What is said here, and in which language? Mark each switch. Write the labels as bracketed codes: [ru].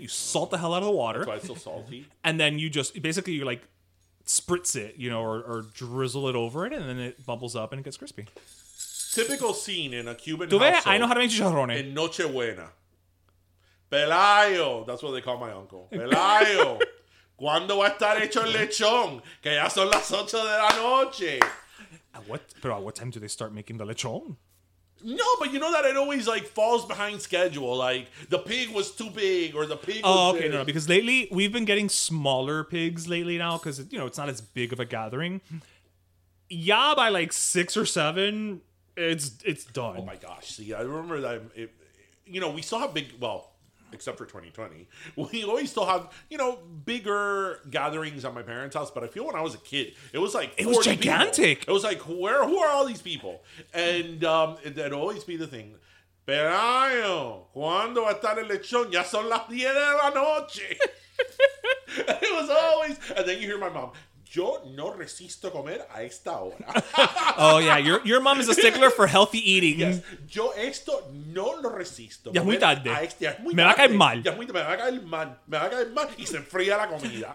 [en] You salt the hell out of the water. That's why it's so salty. And then you just basically you like spritz it, you know, or drizzle it over it, and then it bubbles up and it gets crispy. Typical scene in a Cuban household. I know how to make chicharrones. In Nochebuena, Pelayo, that's what they call my uncle. [es] Pelayo, ¿cuándo va a estar hecho el lechón? Que ya son las ocho de la noche. [en] At what time do they start making the lechón? No, but you know that it always, like, falls behind schedule. Like, the pig was too big, or the pig was... Oh, okay, no, because lately, we've been getting smaller pigs lately now, because, you know, it's not as big of a gathering. Yeah, by, like, 6 or 7, it's done. Oh, my gosh. See, I remember that, you know, we still have big... Well, except for 2020. We always still have, you know, bigger gatherings at my parents' house, but I feel when I was a kid, it was like 40 it was gigantic. People. It was like who are all these people? And it'd always be the thing. [es] Pero cuando va a estar el lechón, ya son las 10 de la noche. [en] It was always, and then you hear my mom, [es] yo no resisto comer a esta hora. [en] Oh, yeah. Your mom is a stickler for healthy eating. [es] Yes. Yo esto no lo resisto. Ya es muy tarde. Me va a caer mal. Me va a caer mal. Y se enfría la comida.